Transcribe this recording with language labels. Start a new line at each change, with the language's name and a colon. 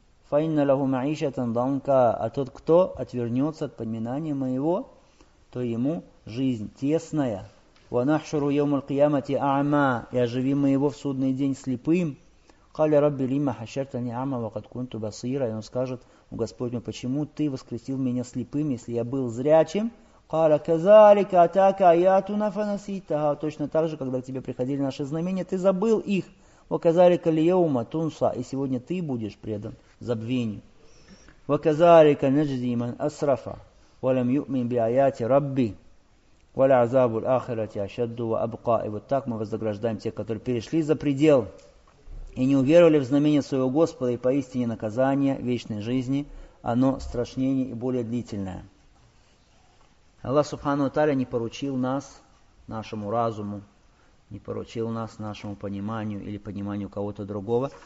Russian: А тот, кто отвернется от поминания моего, то ему жизнь тесная. И оживим мы его в судный день слепым.
Arabic: قال ربي لما حشرتني أعمى وقد كنت بصيرا.
Russian: И он скажет: о Господь мой, почему ты воскресил меня слепым, если я был зрячим?
Arabic: قال كذلك أتاك آياتنا فنسيتها.
Russian: Точно так же, когда к тебе приходили наши знамения, ты забыл их.
Arabic: وكذلك اليوم تنسى.
Russian: И сегодня ты будешь предан забвению.
Arabic: وكذلك نجزي من أسرف ولم يؤمن بآيات ربي ولعذاب الآخرة أشد وأبقى.
Russian: И вот так мы вознаграждаем тех, которые перешли за предел и не уверовали в знамение своего Господа, и поистине наказание вечной жизни, оно страшнее и более длительное. Аллах Субхану Тааля не поручил нас нашему разуму, не поручил нас нашему пониманию или пониманию кого-то другого.